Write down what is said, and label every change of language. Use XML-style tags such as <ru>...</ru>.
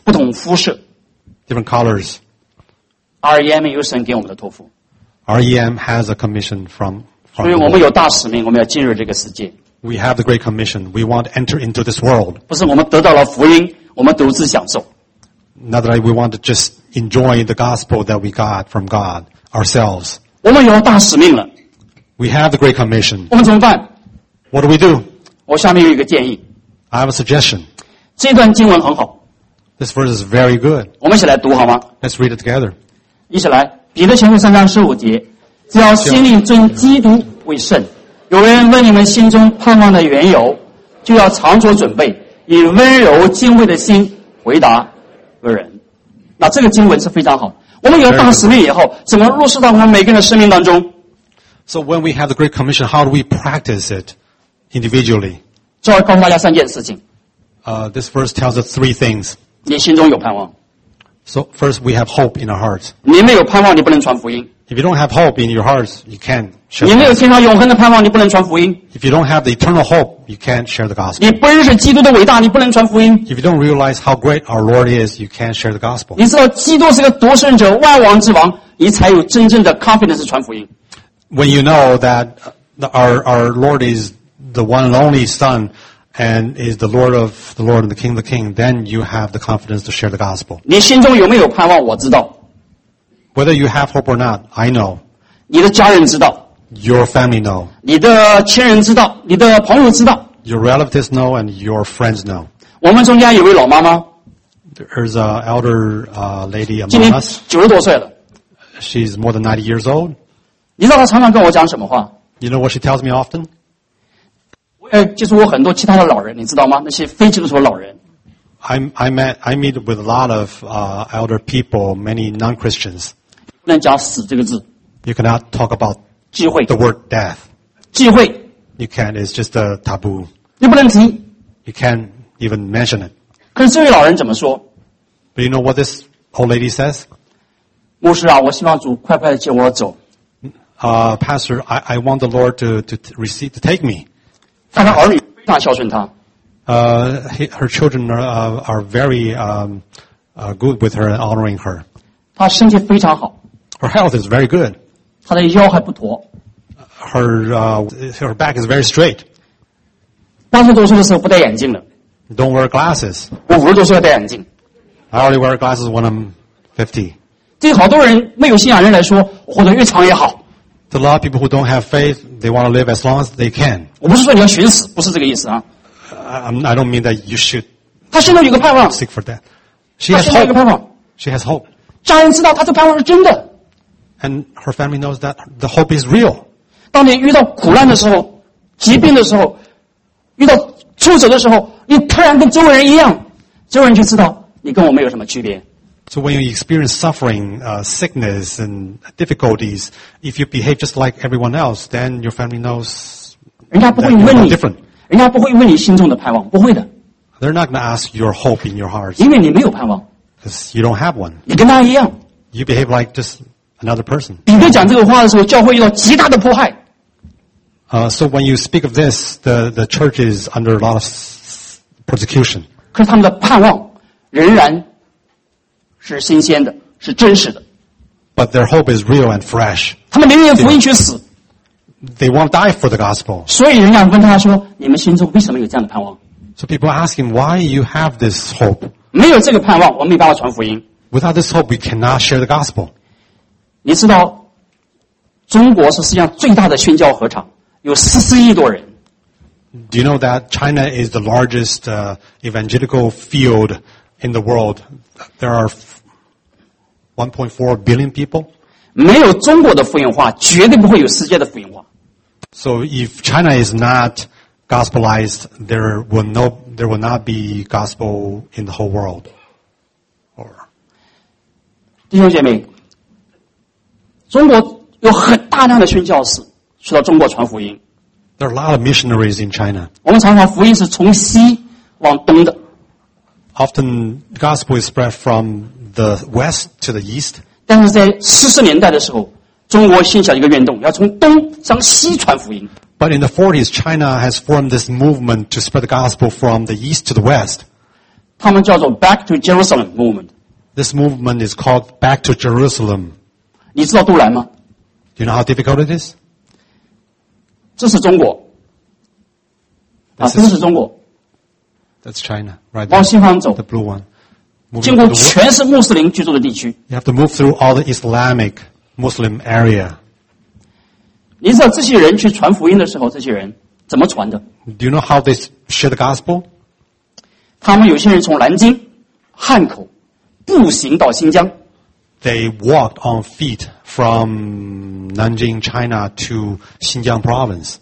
<zh>不同肤色。</zh> <en>Different colors.</en> <zh>REM 有神给我们的托付。</zh> <en>REM has a commission from</en> <zh>所以我们有大使命，我们要进入这个世界。</zh> <en>We have the great commission. We want to enter into this world.</en> <zh>不是我们得到了福音，我们独自享受。</zh> <en>Not that we want to just enjoy the gospel that we got from God ourselves.</en> <zh>我们有大使命了。</zh> <en>We have the Great Commission.</en> <zh>我们怎么办？</zh> <en>What do we do?</en> <zh>我下面有一个建议。</zh> <en>I have a suggestion.</en> <zh>这段经文很好。</zh> <en>This verse is very good.</en> <zh>我们一起来读好吗？</zh> <en>Let's read it together.</en> <zh>一起来，彼得前书三章十五节，只要心里尊基督为圣。有人问你们心中盼望的缘由，就要常做准备，以温柔敬畏的心回答个人。那这个经文是非常好。我们有大使命以后，怎么落实到我们每个人的生命当中？</zh> <en>So when we have the Great Commission, how do we practice it individually?</en> <zh>这儿告诉大家三件事情。</zh> <en>This verse tells us three things.</en> <zh>你心中有盼望。</zh> <en>So first, we have hope in our hearts.</en> <zh>你没有盼望，你不能传福音。</zh> <en>If you don't have hope in your hearts, you can't share.</en> <zh>你没有天上永恒的盼望，你不能传福音。</zh> <en>If you don't have the eternal hope, you can't share the gospel.</en> <zh>你不认识基督的伟大，你不能传福音。</zh> <en>If you don't realize how great our Lord is, you can't share the gospel.</en> <zh>你知道基督是个独胜者，万王之王，你才有真正的 confidence 传福音。</zh> <en>When you know that our Lord is the one and only Son and is the Lord of the Lord and the King of the King, then you have the confidence to share the gospel.</en> <zh>你心中有没有盼望？我知道。</zh> <en>Whether you have hope or not, I know.</en> <zh>你的家人知道。</zh> <en>Your family know.</en> <zh>你的亲人知道，你的朋友知道。</zh> <en>Your relatives know and your friends know.</en> <zh>我们中间有位老妈妈。</zh> <en>There's an elder lady among us.</en> <zh>今年90多岁了。</zh> <en>She's more than 90 years old.</en> <zh>你知道他常常跟我讲什么话？</zh> <en>You know what she tells me often?</en> <zh>我也接触过很多其他的老人，你知道吗？那些非基督徒老人。</zh> <en>I meet with a lot of elder people, many non-Christians.</en> <zh>不能讲死这个字。</zh> <en>You cannot talk about</en> <zh>忌讳</zh> <en>the word death.</en> <zh>忌讳。</zh> <en>You can't. It's just a taboo.</en> <zh>你不能提。</zh> <en>You can't even mention it.</en> <zh>可是这位老人怎么说？</zh> <en>But you know what this Old lady says,</en> <zh>牧师啊，我希望主快快接我走。</zh> <en>Pastor, I want the Lord to take me.</en> <zh>但他儿女非常孝顺他。</zh> <en>Her children are very good with her and honoring her.</en> <zh>她身体非常好。</zh> <en>Her health is very good.</en> <zh>她的腰还不驼。</zh> <en>Her back is very straight.</en> <zh>八十多岁的时候不戴眼镜了。</zh> <en>Don't wear glasses.</en> <zh>我五十多岁要戴眼镜。</zh> <en>I only wear glasses when I'm 50.</en> <zh>对好多人没有信仰人来说，活得越长越好。</zh> <en>To a lot of people who don't have faith, they want to live as long as they can.</en> <zh>我不是说你要寻死，不是这个意思啊。</zh> <en>I don't mean that you should.</en> <zh>他现在有个盼望。</zh> <en>Seek for that. She has hope.</en> <zh>有个盼望。</zh> <en>She has hope.</en> <zh>家人知道他这盼望是真的。</zh> <en>And her family knows that the hope is real.</en> <zh>当你遇到苦难的时候，疾病的时候，遇到挫折的时候，你突然跟周围人一样，周围人就知道你跟我没有什么区别。</zh> <en>So when you experience suffering, sickness and difficulties, if you behave just like everyone else, then your family knows.</en> <zh>人家不会问你。</zh> <en>Different.</en> <zh>人家不会问你心中的盼望，不会的。</zh> <en>They're not going to ask your hope in your heart.</en> <zh>因为你没有盼望。</zh> <en>Because you don't have one.</en> <zh>你跟他一样。</zh> <en>You behave like just another person.</en> <zh>彼得讲这个话的时候，教会遇到极大的迫害。</zh> <en>So when you speak of this, the church is under a lot of persecution.</en> <zh>可是他们的盼望仍然。是新鲜的，是真实的。</zh> <en>But their hope is real and fresh.</en> <zh>他们宁愿福音去死。</zh> <en>They won't die for the gospel.</en> <zh>所以人家问他说：“你们心中为什么有这样的盼望？”</zh> <en>So people ask him why you have this hope.</en> <zh>没有这个盼望，我们没办法传福音。</zh> <en>Without this hope, we cannot share the gospel.</en> <zh>你知道，中国是世界上最大的宣教合场，有44亿多人。</zh> <en>Do you know that China is the largest evangelical field in the world? There are 1.4 billion people.</en> <zh>没有中国的福音化，绝对不会有世界的福音化。</zh> <en>So if China is not gospelized, there will not be gospel in the whole world. Or</en> <zh>弟兄姐妹，中国有很大量的宣教士去到中国传福音。</zh> <en>There are a lot of missionaries in China.</en> <zh>我们常常福音是从西往东的。</zh> <en>Often gospel is spread from the west to the east.</en> <zh>但是在40年代的时候，中国兴起了一个运动，要从东向西传福音。</zh> <en>But in the 40s, China has formed this movement to spread the gospel from the east to the west.</en> <zh>他们叫做 Back to Jerusalem movement.</zh> <en>This movement is called Back to Jerusalem.</en> <zh>你知道杜兰吗？</zh> <en>Do you know how difficult it is?</en> <zh>这是中国。这是中国。</zh> <en>That's China, right?</en> <zh>往西方走。</zh> <en>The blue one.</en> <zh>经过全是穆斯林居住的地区。</zh> <en>You have to move through all the Islamic Muslim area.</en> <zh>你知道这些人去传福音的时候，这些人怎么传的？</zh> <en>Do you know how they share the gospel?</en> <zh>他们有些人从南京、汉口步行到新疆。</zh> <en>They walked on feet from Nanjing, China to Xinjiang province.</en>